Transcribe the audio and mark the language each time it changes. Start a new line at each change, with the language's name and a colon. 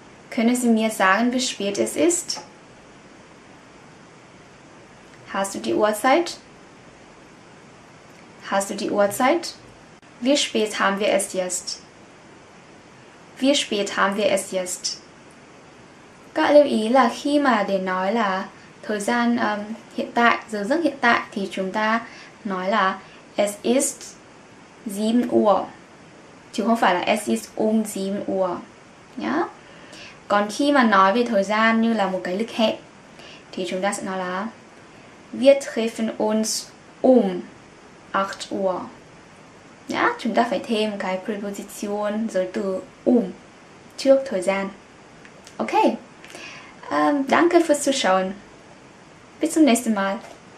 German: Können Sie mir sagen, wie spät es ist? Hast du die Uhrzeit? Hast du die Uhrzeit? Wie spät haben wir es jetzt? Wie spät haben wir es jetzt?
Vietnamese: Các lưu ý là khi mà để nói là thời gian hiện tại, giờ giấc hiện tại thì chúng ta nói là
German: Es ist 7 Uhr,
Vietnamese: chứ không phải là
German: Es ist 7 Uhr
Vietnamese: nhá. Còn khi mà nói về thời gian như là một cái lịch hẹn thì chúng ta sẽ nói là
German: Wir treffen uns 8 Uhr
Vietnamese: nhá. Chúng ta phải thêm cái preposition giới từ trước thời gian.
German: Ok. Danke fürs Zuschauen. Bis zum nächsten Mal.